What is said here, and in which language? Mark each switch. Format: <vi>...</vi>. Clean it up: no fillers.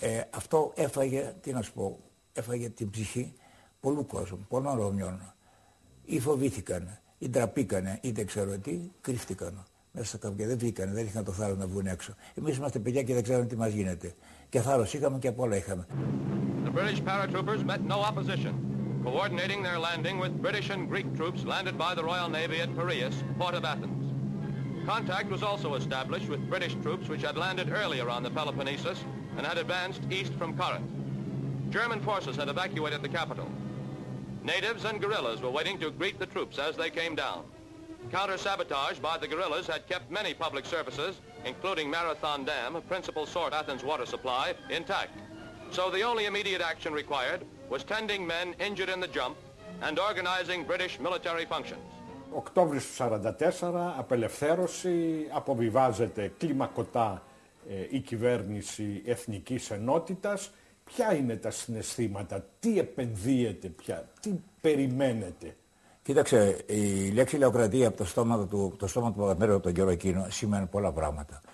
<el>Αυτό έφαγε, τι να σου πω, έφαγε την ψυχή πολλού κόσμου, πολλών Ρωμιών. Ή φοβήθηκαν, ή ντραπήκαν, ή δεν ξέρω τι, κρύφτηκαν μέσα στα καμπιά. Δεν βγήκαν, δεν είχαν το θάρρος να βγουν έξω. Εμείς είμαστε παιδιά και δεν ξέραμε τι μας γίνεται. Και θάρρος είχαμε και απ' όλα είχαμε.</el> <en>The British paratroopers met no opposition, coordinating their landing with British and Greek troops landed by the Royal Navy at Piraeus, port of Athens. Contact was also established with British troops which had landed earlier on the Peloponnesus and had advanced east from Corinth. German forces had evacuated the capital. Natives and guerrillas were waiting to greet the troops as they came down. Counter-sabotage by the guerrillas had kept many public services, including Marathon Dam, a principal source of Athens' water supply, intact. So the only immediate action required was tending men injured in the jump and organizing British military functions.</en> <el>Οκτώβριο του 44, απελευθέρωση, αποβιβάζεται κλιμακωτά η κυβέρνηση Εθνικής Ενότητας. Ποια είναι τα συναισθήματα, τι επενδύεται πια, τι περιμένετε? Κοίταξε, η λέξη λαοκρατία από το στόμα του Παπαδημήτρη από τον καιρό εκείνο σημαίνει πολλά πράγματα.</el>